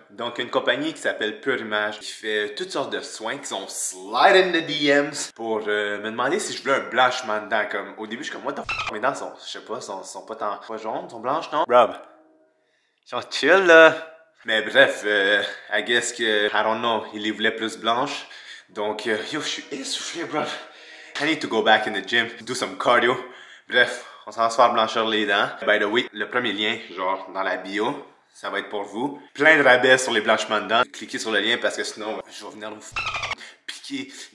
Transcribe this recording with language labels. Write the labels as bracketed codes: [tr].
[fr] Donc une compagnie qui s'appelle Pure Image qui fait toutes sortes de soins qui sont slide in the DMs pour me demander si je voulais un blanchiment de dents. Comme au début je suis comme what the f**k, mes dents sont, je sais pas, sont pas tant pas jaunes, sont blanches non? Rob, ils sont chill là. Mais bref, I guess que I don't know, ils les voulaient plus blanches. Donc yo, je suis essoufflé, bro. [en] I need to go back in the gym, do some cardio. [fr] Bref, on s'en va se faire blanchir les dents. By the way, le premier lien genre dans la bio. Ça va être pour vous. Plein de rabais sur les blanchements de dents. Cliquez sur le lien parce que sinon, je vais venir vous piquer.